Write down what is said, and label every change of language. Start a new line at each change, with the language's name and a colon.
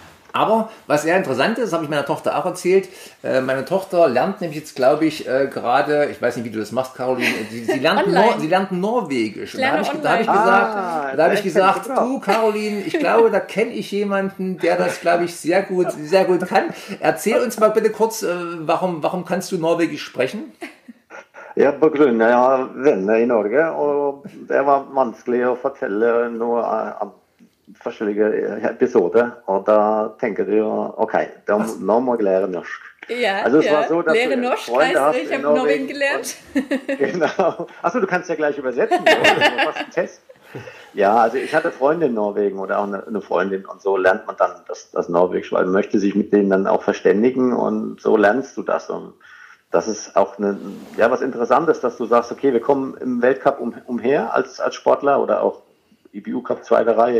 German: Aber was sehr interessant ist, habe ich meiner Tochter auch erzählt, meine Tochter lernt nämlich jetzt, glaube ich, gerade, ich weiß nicht, wie du das machst, Caroline, sie lernt Norwegisch. Da habe ich gesagt, du, Caroline, ich glaube, da kenne ich jemanden, der das, glaube ich, sehr gut kann. Erzähl uns mal bitte kurz, warum kannst du Norwegisch sprechen?
Norwegian: Ja, på grunn av venner i Norge, og det var vanskelig å fortelle noe av forskjellige episoder, og da tenker du, ok, nå må jeg lære norsk. Lære norsk, reise,
German: ich habe Norwegen gelernt. Genau. Achso, du kannst ja gleich übersetzen, du hast einen Test. Ja, also ich hatte Freunde in Norwegen oder auch eine Freundin und so lernt man dann das Norwegisch, weil man möchte sich mit denen dann auch verständigen und so lernst du das und das ist auch was Interessantes, dass du sagst, okay, wir kommen im Weltcup umher als Sportler oder auch IBU Cup zweite Reihe.